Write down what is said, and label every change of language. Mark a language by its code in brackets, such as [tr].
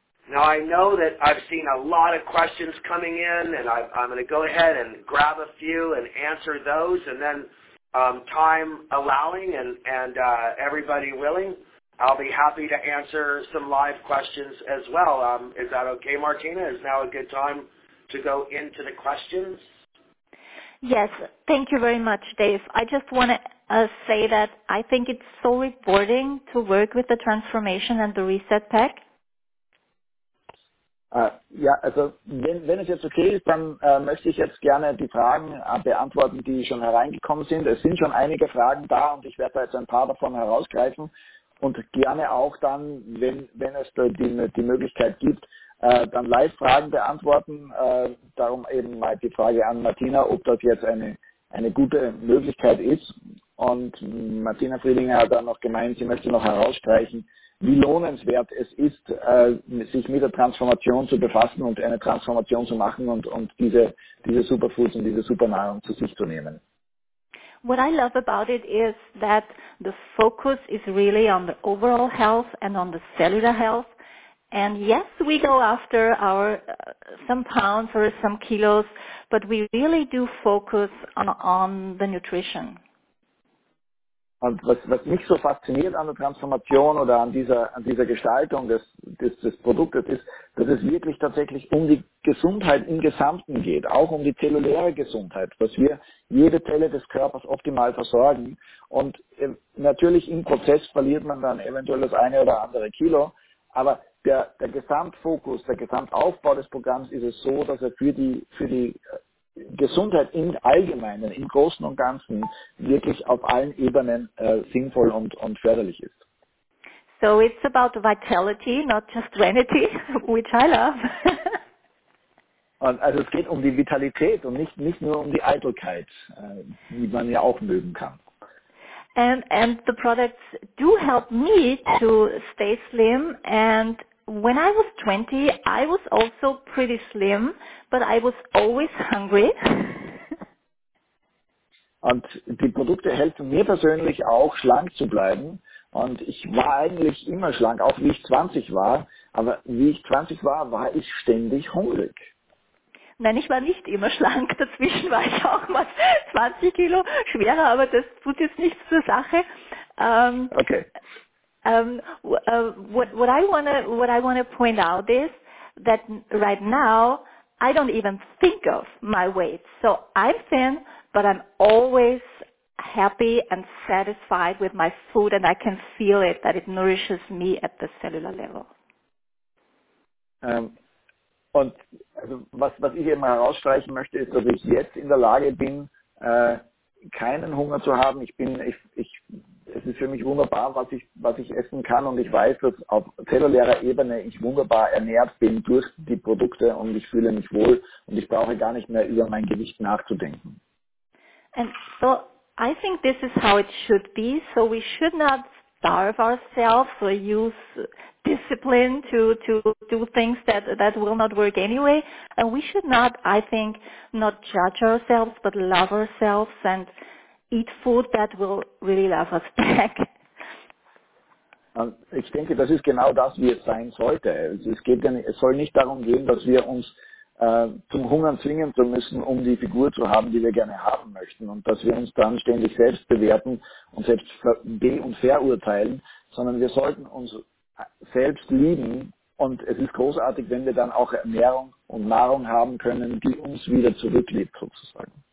[en] Now I know that I've seen a lot of questions coming in and I'm going to go ahead and grab a few and answer those and then time allowing and everybody willing, I'll be happy to answer some live questions as well. Is that okay, Martina? Is now a good time to go into the questions? Yes, thank you very much, Dave. I just want to say that I think it's so rewarding to work with the transformation and the reset pack. [de] Also wenn es jetzt okay ist, dann möchte ich jetzt gerne die Fragen beantworten, die schon hereingekommen sind. Es sind schon einige Fragen da und ich werde da jetzt ein paar davon herausgreifen und gerne auch dann, wenn es da die Möglichkeit gibt, dann live Fragen beantworten. Darum eben mal die Frage an Martina, ob das jetzt eine gute Möglichkeit ist. Und Martina Friedinger hat dann noch gemeint, sie möchte noch herausstreichen, wie lohnenswert es ist, sich mit der Transformation zu befassen und eine Transformation zu machen und diese Superfoods und diese Supernahrung zu sich zu nehmen. [en] What I love about it is that the focus is really on the overall health and on the cellular health. And yes, we go after our some pounds or some kilos, but we really do focus on the nutrition. [de] Und was mich so fasziniert an der Transformation oder an dieser Gestaltung des Produktes ist, dass es wirklich tatsächlich um die Gesundheit im Gesamten geht, auch um die zelluläre Gesundheit, dass wir jede Zelle des Körpers optimal versorgen. Und natürlich im Prozess verliert man dann eventuell das eine oder andere Kilo, aber der Gesamtfokus, der Gesamtaufbau des Programms ist es so, dass er für die Gesundheit im Allgemeinen, im Großen und Ganzen, wirklich auf allen Ebenen sinnvoll und förderlich ist. [en] So it's about vitality, not just vanity, which I love. [de] Und also es geht um die Vitalität und nicht nur um die Eitelkeit, die man ja auch mögen kann. [en] And the products do help me to stay slim. And when I was 20, I was also pretty slim, but I was always hungry. [de] Und die Produkte helfen mir persönlich auch, schlank zu bleiben. Und ich war eigentlich immer schlank, auch wie ich 20 war. Aber wie ich 20 war, war ich ständig hungrig. Nein, ich war nicht immer schlank. Dazwischen war ich auch mal 20 Kilo schwerer, aber das tut jetzt nichts zur Sache. [en] Okay. What I want to point out is that right now I don't even think of my weight. So I'm thin, but I'm always happy and satisfied with my food, and I can feel it, that it nourishes me at the cellular level. [de] Und also was ich eben herausstreichen möchte, ist, dass ich jetzt in der Lage bin, keinen Hunger zu haben. Es ist für mich wunderbar, was ich essen kann, und ich weiß, dass auf zellulärer Ebene ich wunderbar ernährt bin durch die Produkte und ich fühle mich wohl und ich brauche gar nicht mehr über mein Gewicht nachzudenken. [en] And so I think this is how it should be. So we should not starve ourselves or use discipline to do things that will not work anyway. And we should not, I think, not judge ourselves but love ourselves and eat food that will really love us back. [de] Und ich denke, das ist genau das, wie es sein sollte. Es soll nicht darum gehen, dass wir uns zum Hungern zwingen zu müssen, um die Figur zu haben, die wir gerne haben möchten, und dass wir uns dann ständig selbst bewerten und selbst verurteilen, sondern wir sollten uns selbst lieben, und es ist großartig, wenn wir dann auch Ernährung und Nahrung haben können, die uns wieder zurücklebt, sozusagen.